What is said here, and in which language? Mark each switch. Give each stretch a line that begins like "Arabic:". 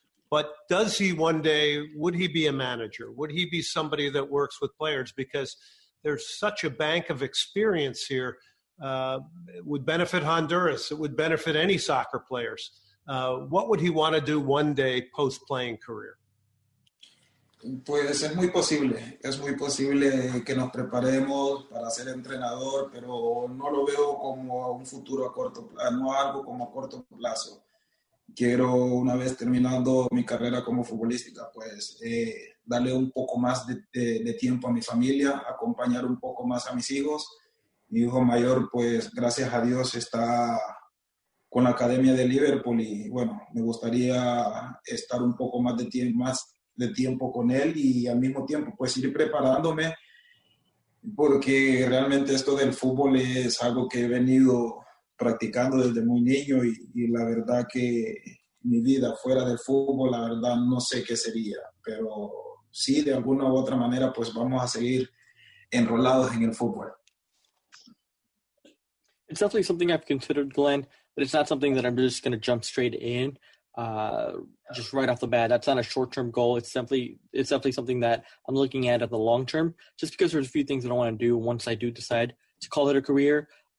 English: But does he one day, would he be a manager? Would he be somebody that works with players? Because there's such a bank of experience here. It would benefit Honduras. It would benefit any soccer players. What would he want to do one day post-playing career?
Spanish: Pues es muy posible que nos preparemos para ser entrenador, pero no lo veo como un futuro a corto plazo, no algo como a corto plazo. Quiero, una vez terminando mi carrera como futbolística, pues darle un poco más de tiempo a mi familia, acompañar un poco más a mis hijos. Mi hijo mayor, pues gracias a Dios, está con la Academia de Liverpool y bueno, me gustaría estar un poco más de tiempo, más de tiempo con él y al mismo tiempo pues ir preparándome, porque realmente esto del fútbol es algo que he venido practicando desde muy niño y la verdad que mi vida fuera del fútbol, la verdad no sé qué sería, pero sí, de alguna u otra manera, pues vamos a seguir enrolados en el fútbol.
English: It's definitely something I've considered, Glenn, but it's not something that I'm just going to jump straight in just right off the bat. That's not a short-term goal. It's definitely something that I'm looking at the long term, just because there's a few things that I want to do once I do decide to call it a career.